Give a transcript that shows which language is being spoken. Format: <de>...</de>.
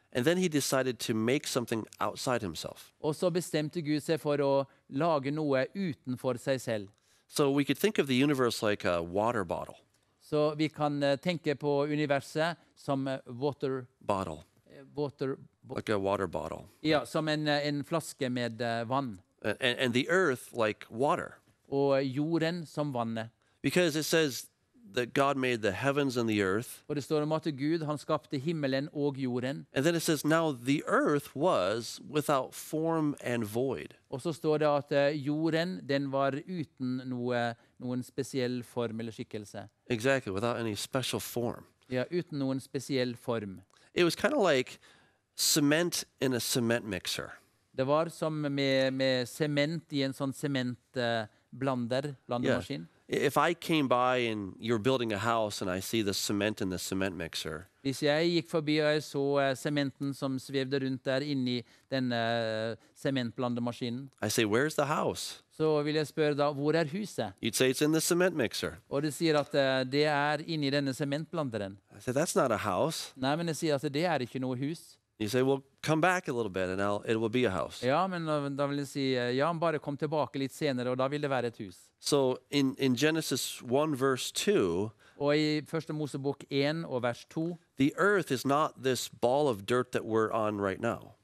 <en>And then he decided to make something outside himself.</en> <no>Og så bestemte Gud seg for å lage noe utenfor seg selv.</no> <en>So we could think of the universe like a water bottle.</en> <no>Så vi kan tenke på universet som water</no> <en>bottle. Like a water bottle.</en> <no>Ja, som en flaske med vann.</no> <en>And the earth like water.</en> <no>Og jorden som vannet.</no> <en>Because it says that God made the heavens and the earth.</en> <no>Og det står om at Gud, han skapte himmelen og jorden.</no> <en>And then it says, now the earth was without form and void.</en> <no>Og så står det at jorden, den var uten noen spesiell form eller skikkelse.</no> <en>Exactly, without any special form.</en> <no>Ja, uten noen spesiell form.</no> <en>It was kind of like cement in a cement mixer.</en> <no>Det var som med sement i en sånn blandemaskin.</no> <en>Yeah. If I came by and you're building a house and I see the cement in the cement mixer.</en> <no>Hvis jeg gikk forbi og jeg så sementen som svevde rundt der inne i den sementblandemaskinen.</no> <en>I say, where's the house?</en> <no>Så vil jeg spørre da, hvor er huset?</no> <en>You'd say it's in the cement mixer.</en> <no>Og du sier at det er inne i denne sementblanderen.</no> <en>I say, that's not a house.</en> <no>Nei, men jeg sier at det er ikke noe hus.</no> <en>You say, well, come back a little bit and it will be a house.</en> <no>Ja, men da vil jeg si, ja, bare kom tilbake litt senere og da vil det være et hus.</no> <en>So in Genesis 1 verse 2,</en> <no>og i første Mosebok 1 og vers 2,</no> <en>the earth is not this ball of dirt that we're on right now.</en>